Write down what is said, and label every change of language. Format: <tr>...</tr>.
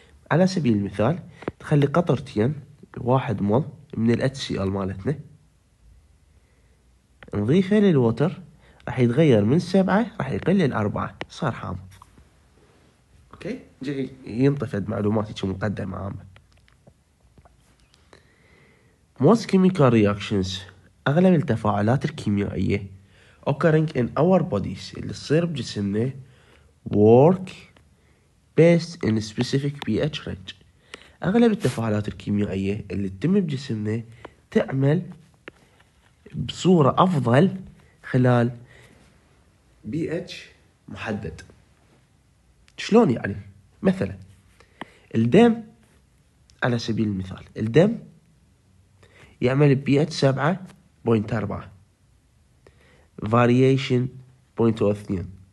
<ar>على سبيل المثال تخلي قطرتين 1 مول من ال HCl مالتنا نضيفه للووتر، راح يتغير من 7 راح يقل ل 4، صار حامض. اوكي، جاي ينطفئ معلوماتك مقدمه عامه.</ar> <en>Most chemical reactions،</en> <ar>اغلب التفاعلات الكيميائيه</ar> <en>occurring in our bodies</en> <ar>اللي تصير بجسمنا</ar> <en>work based in specific pH range.</en> <ar>اغلب التفاعلات الكيميائيه اللي تتم بجسمنا تعمل بصوره افضل خلال pH محدد. شلون يعني؟ مثلا الدم، على سبيل المثال الدم يعمل بي اتش 7.4 variation 0.02.</ar>